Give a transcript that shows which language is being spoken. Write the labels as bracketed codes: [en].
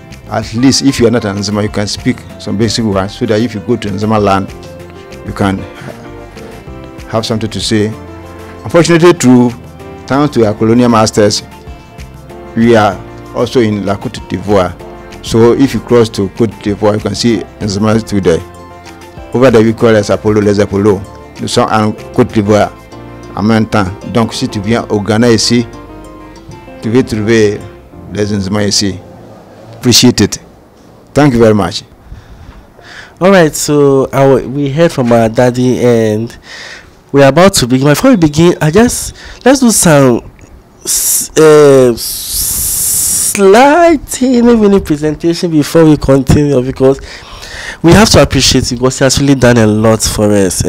[en] At least if you are not an Nzema, you can speak some basic words so that if you go to Nzema land, you can have something to say. Unfortunately, thanks to our colonial masters, we are also in La Côte d'Ivoire. So if you cross to Côte d'Ivoire, you can see Nzema today. Over there, we call it Apollo, Les Apollo. [fr] Nous sommes en Côte d'Ivoire en même temps. Donc si tu viens au Ghana ici, tu vas trouver les Nzema ici. [en] Appreciate it. Thank you very much. All right, so we heard from our daddy and we are about to begin. Before we begin, let's do some slight teeny mini presentation before we continue, because we have to appreciate you because he has really done a lot for us.